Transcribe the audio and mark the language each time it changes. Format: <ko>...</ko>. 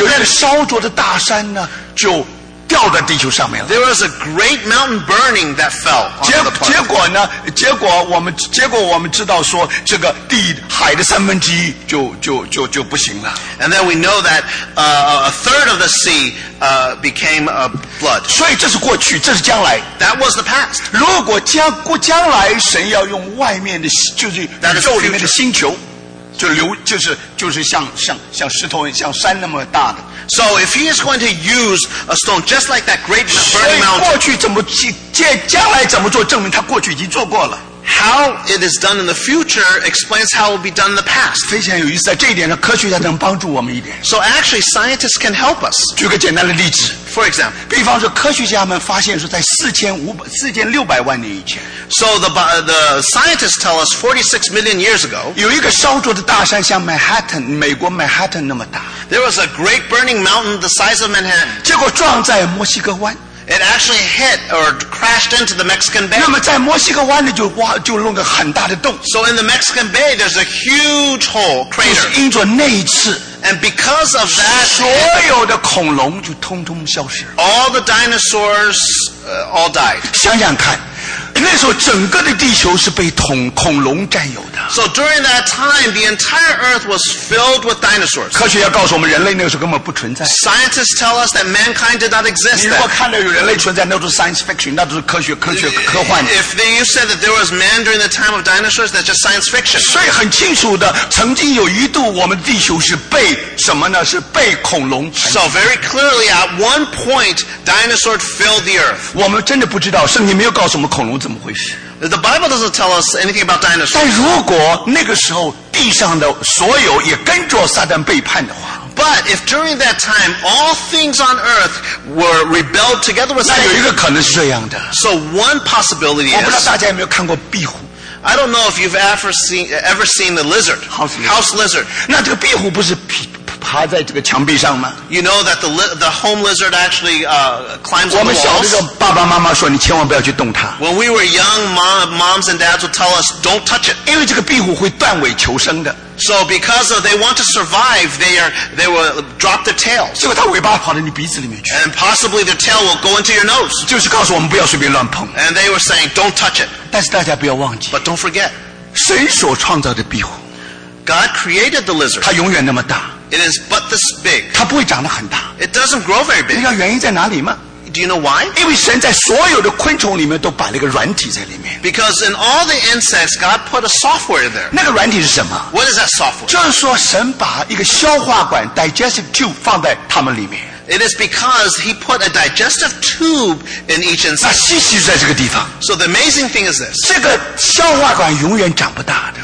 <zh>有一个烧灼的大山呢，就掉在地球上面了。</zh> <en>There was a great mountain burning that fell.</en> <zh>结果我们知道说这个地海的三分之一就不行了。</zh> <en>And then we know that a third of the sea became a flood.</en> <zh>所以这是过去，这是将来。</zh> <en>That was the past.</en> <zh>如果将来神要用外面的就是宇宙里面的星球。就是像石头像山那么大的。</zh> <en>So if he is going to use a stone just like that great burning mountain,</en> <zh>过去怎么将来怎么做证明他过去已经做过了。</zh> <en>How it is done in the future explains how it will be done in the past.</en> <zh>非常有意思，在这一点上，科学家能帮助我们一点。</zh> <en>So actually, scientists can help us.</en> <zh>举个简单的例子。</zh> <en>For example,</en> <zh>比方说，科学家们发现说，在4600万年以前。</zh> <en>So the scientists tell us 46 million years ago,</en> <zh>有一个烧灼的大山，像Manhattan，美国Manhattan那么大。</zh> <en>There was a great burning mountain the size of Manhattan.</en> <zh>结果撞在墨西哥湾。</zh> <en>It actually hit or crashed into the Mexican Bay.</en> <zh>那么在墨西哥湾里就弄个很大的洞。</zh> <en>So in the Mexican Bay, there's a huge hole, crater.</en> <zh>就是因着那一次。</zh> <en>And because of that,</en> <zh>所有的恐龙就通通消失。</zh> <en>All the dinosaurs, all died.</en> <zh>想想看。那时候整个的地球是被恐龙占有的。</zh> <en>So during that time, the entire earth was filled with dinosaurs.</en> <zh>科学家告诉我们，人类那个时候根本不存在。</zh> <en>Scientists tell us that mankind did not exist.</en> <zh>你如果看到有人类存在，那都是</zh> <en>science fiction，</en> <zh>那都是科学科幻。</zh> <en>If you said that there was man during the time of dinosaurs, that's just science fiction.</en> <zh>所以很清楚的，曾经有一度我们地球是被什么呢？是被恐龙。</zh> <en>So very clearly, at one point, dinosaurs filled the earth.</en> <zh>我们真的不知道，圣经没有告诉我们恐龙。</zh> <en>The Bible doesn't tell us anything about dinosaurs.</en> <zh>但如果那个时候地上的所有也跟着撒旦背叛的话。</zh> <en>But if during that time all things on earth were rebelled together with Satan.</en> <zh>那有一个可能是这样的。</zh> <en>So one possibility is.</en> <zh>我不知道大家有没有看过壁虎。</zh> <en>I don't know if you've ever seen the lizard. House lizard.</en> <zh>那这个壁虎不是爬在这个墙壁上吗？</zh> <en>You know that the home lizard actually climbs on the walls.</en> <zh>我们小的时候，爸爸妈妈说你千万不要去动它。</zh> <en>When we were young, moms and dads would tell us don't touch it.</en> <zh>因为这个壁虎会断尾求生的。</zh> <en>So because of they want to survive, they will drop their tails.</en> <zh>结果它尾巴跑到你鼻子里面去。</zh> <en>And possibly their tail will go into your nose.</en> <zh>就是告诉我们不要随便乱碰。</zh> <en>And they were saying don't touch it.</en> <zh>但是大家不要忘记。</zh> <en>But don't forget.</en> <zh>神所创造的壁虎。</zh> <en>God created the lizard.</en> <zh>它永远那么大。</zh> <en>It is but this big.</en> <zh>它不会长得很大。</zh> <en>It doesn't grow very big.</en> <zh>你知道原因在哪里吗？</zh> <en>Do you know why?</en> <zh>因为神在所有的昆虫里面都摆了个软体在里面。</zh> <en>Because in all the insects, God put a software there.</en> <zh>那个软体是什么？</zh> <en>What is that software?</en> <zh>就是说神把一个消化管 digestive tube 放在它们里面。</zh> <en>It is because he put a digestive tube in each inside. So the amazing thing is this.</en> <zh>这个消化管永远长不大的。</zh>